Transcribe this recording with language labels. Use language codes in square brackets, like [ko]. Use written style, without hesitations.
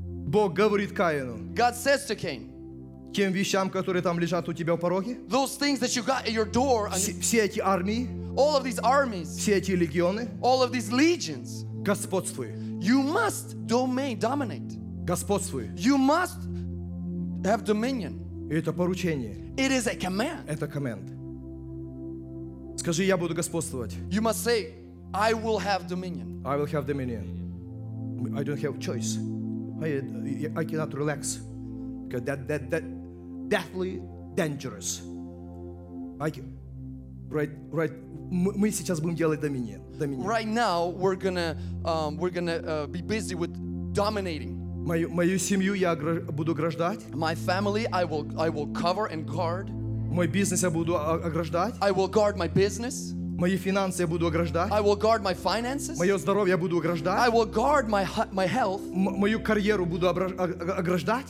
[ru] Бог говорит Каину. [en] God says to Cain. [ru] Тем вещам, которые там лежат у тебя в пороге. [en] Those things that you got at your door. [ru] Все эти армии. [en] All of these armies. [ru] Все эти легионы. [en] All of these legions. [ru] Господствуй. [en] You must dominate. [ru] Господствуй. [en] You must have dominion. [ru] И это поручение. [en] It is a command. [ru] Это command. Скажи, я буду господствовать. [en] You must say, I will have dominion. I will have dominion. I don't have choice. I cannot relax. Because that deathly dangerous. [ru] Мы сейчас будем делать доминион. [en] Right now, we're gonna be busy with dominating. [ru] Мою семью я буду ограждать. [en] My family I will cover and guard. [ru] Мой бизнес я буду ограждать. [en] I will guard my business. [ru] Мои финансы я буду ограждать. [en] I will guard my finances. [ru] Мое здоровье я буду ограждать. [en] I will guard my health. [ru] Мою карьеру буду ограждать.